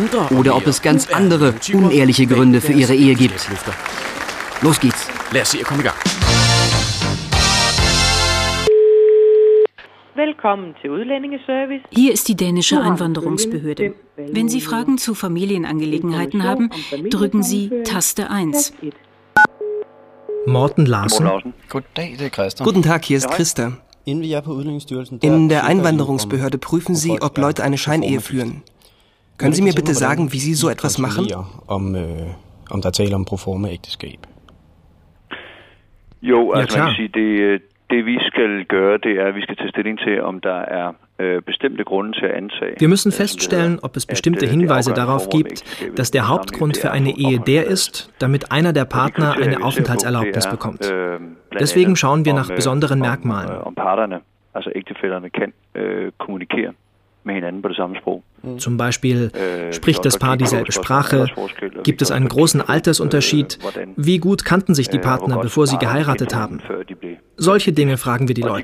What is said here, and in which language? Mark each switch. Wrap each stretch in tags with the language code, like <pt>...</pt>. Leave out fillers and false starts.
<de>Oder ob es ganz andere, unehrliche Gründe für ihre Ehe gibt. Los geht's.</de> <da>Lad os se, jeg kommer i gang. Velkommen til Udlændingeservice.</da> <de>Hier ist die dänische Einwanderungsbehörde. Wenn Sie Fragen zu Familienangelegenheiten haben, drücken Sie Taste 1.</de> <da>Morten Larsen.</da> <de>Guten Tag, der Christa. Guten Tag, hier ist Christa. In der Einwanderungsbehörde prüfen Sie, ob Leute eine Scheinehe führen. Können Sie mir bitte sagen, wie Sie so etwas machen?</de> <da>Om der taler om proforma ægteskab. Jo, altså man kan sige, det vi skal gøre, det er, at vi skal tage stilling til, om der er bestemte grunde til at antage.</da> <de>Wir müssen feststellen, ob es bestimmte Hinweise darauf gibt, dass der Hauptgrund für eine Ehe der ist, damit einer der Partner eine Aufenthaltserlaubnis bekommt. Deswegen schauen wir nach besonderen Merkmalen.</de> <da>Om parterne, altså ægtefællerne, kan kommunikere med hinanden på det samme sprog.</da> <de>Zum Beispiel, spricht das Paar dieselbe Sprache? Gibt es einen großen Altersunterschied? Wie gut kannten sich die Partner, bevor sie geheiratet haben? Solche Dinge fragen wir die Leute.</de>